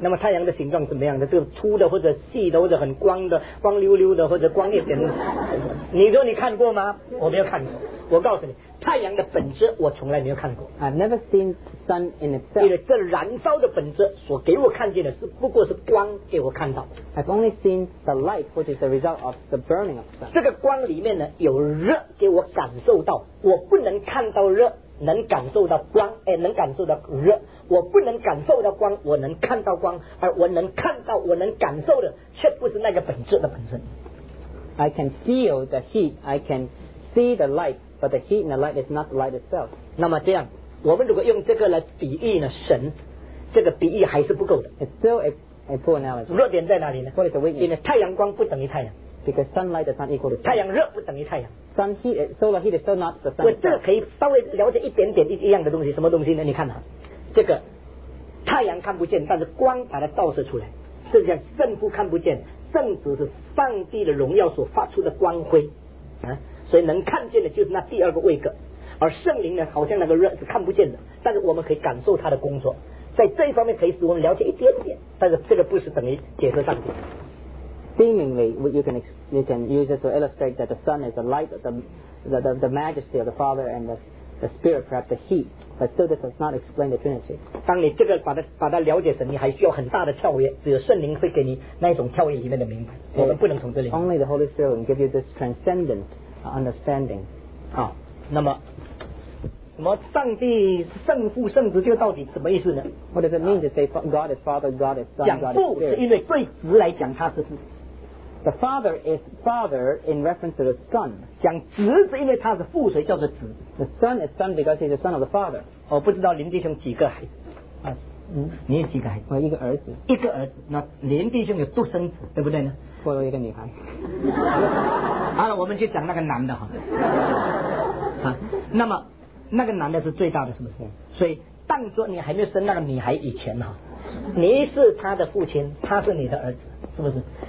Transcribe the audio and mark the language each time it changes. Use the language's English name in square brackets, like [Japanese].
[Chinese] 那么太阳的形状怎么样的？这个粗的或者细的或者很光的，光溜溜的或者光一点的？你说你看过吗？我没有看过。我告诉你，太阳的本质我从来没有看过。 [English] I've never seen sun in itself。 [Chinese] 因为这燃烧的本质所给我看见的是不过是光给我看到。 [English] I've only seen the light, which is the result of the burning of sun。 [Chinese] 这个光里面呢有热给我感受到，我不能看到热，能感受到光，能感受到热。我不能感受到光，我能看到光，而我能看到，我能感受的，却不是那个本质的本身。 [English] I can feel the heat, I can see the light. But the heat and the light is not the light itself. [Chinese] 那么这样，我们如果用这个来比喻呢？神，这个比喻还是不够的。 [English] It's still a poor analogy. [Chinese] 弱点在哪里呢 [English] ？What is the weakness? [Chinese] 因为太阳光不等于太阳。 [English] Because sunlight does not equal to sun. [Chinese] 太阳热不等于太阳。 [English] Sun heat, solar heat is still not the sun. [Chinese] 我这个可以稍微了解一点点一样的东西，什么东西呢？你看啊，这个太阳看不见，但是光把它照射出来。实际上，圣父看不见，圣子是上帝的荣耀所发出的光辉，所以能看见的就是那第二个位格，而圣灵呢，好像那个热是看不见的，但是我们可以感受它的工作，在这一方面可以使我们了解一点点，但是这个不是等于解释上帝。 [English] Seemingly, you can use this to illustrate that the sun is the light, the majesty of the Father and the Spirit, perhaps the heat, but still this does not explain the Trinity. [Chinese] 当你这个把它了解神，你还需要很大的跳跃，只有圣灵会给你那种跳跃里面的明白。我们不能从这里。 [English] Only the Holy Spirit can give you this transcendent.Understanding. [Chinese] 好，那么什么上帝圣父圣子就到底什么意思呢？ [English] What does it mean to say God is Father, God is Son, God is Spirit? [Chinese] 讲父是因为对子来讲他是父。 [English] The Father is Father in reference to the Son. [Chinese] 讲子是因为他是父，所以叫做子。 [English] The Son is Son because he's the Son of the Father. [Chinese] 我不知道林弟兄几个孩子。你有几个孩子？我一个儿子。一个儿子，那连弟兄有独生子，对不对呢？或者一个女孩。好了，我们去讲那个男的哈。那么那个男的是最大的，是不是？所以，当作你还没有生那个女孩以前哈，你是他的父亲，他是你的儿子，是不是